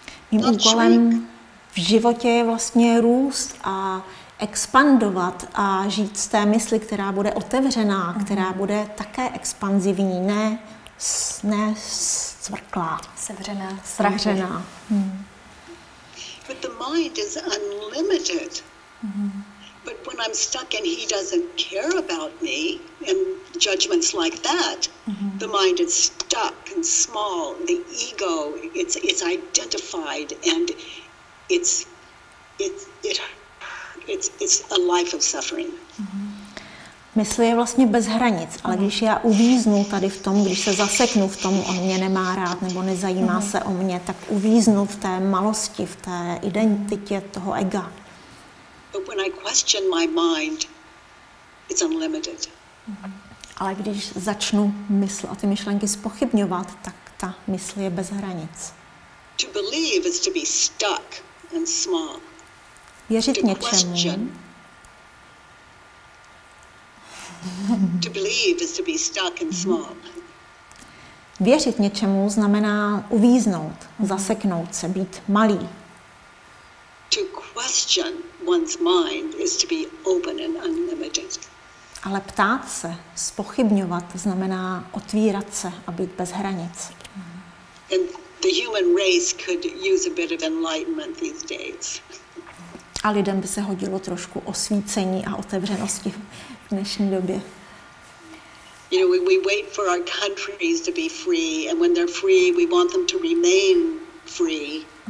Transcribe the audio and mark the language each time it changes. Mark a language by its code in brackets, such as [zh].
[cs] Mým úkolem v životě je vlastně růst a expandovat a žít z té mysli, která bude otevřená, která bude také expanzivní, ne zcvrklá. Sevřená. Sevřená. [en] But the mind is unlimited. But when I'm stuck and he doesn't care about me and judgments like that, the mind is stuck and small. The ego, it's identified and it's a life of suffering. [cs] Mysl je vlastně bez hranic, ale když já uvíznu tady v tom, když se zaseknu v tom, on mě nemá rád nebo nezajímá se o mě, tak uvíznu v té malosti, v té identitě toho ega. [en] But when I question my mind, it's unlimited. [cs] Ale když začnu mysl a ty myšlenky zpochybňovat, tak ta mysl je bez hranic. [en] To believe is to be stuck and small. [cs] Věřit něčemu. [en] To believe is to be stuck and small. [cs] Věřit něčemu znamená uvíznout, zaseknout se, být malý. [en] To question one's mind is to be open and unlimited. [cs] Ale ptát se, zpochybňovat znamená otvírat se a být bez hranic. [en] And the human race could use a bit of enlightenment these days. [cs] A lidem by se hodilo trošku osvícení a otevřenosti v dnešní době. [en] You know, we wait for our countries to be free, and when they're free, we want them to remain free.